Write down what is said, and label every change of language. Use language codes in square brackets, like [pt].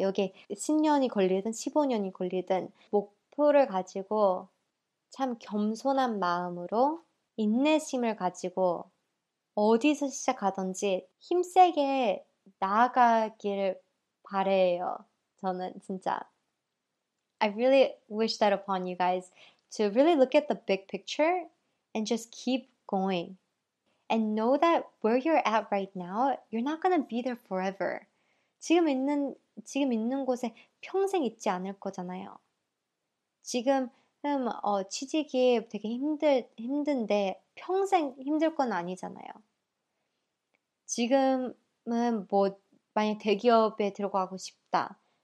[ko] 여기 10년이 걸리든 15년이 걸리든 목표를 가지고 참 겸손한 마음으로 인내심을 가지고 어디서 시작하든지 힘세게 나아가길 바래요. 저는 진짜 [en] I really wish that upon you guys to really look at the big picture and just keep going. And know that where you're at right now, you're not gonna be there forever. [ko] 지금 있는 곳에 평생 있지 않을 거잖아요. 지금 취직이 되게 힘든데 평생 힘들 건 아니잖아요. 지금은 뭐 만약 대기업에 들어가고 싶다.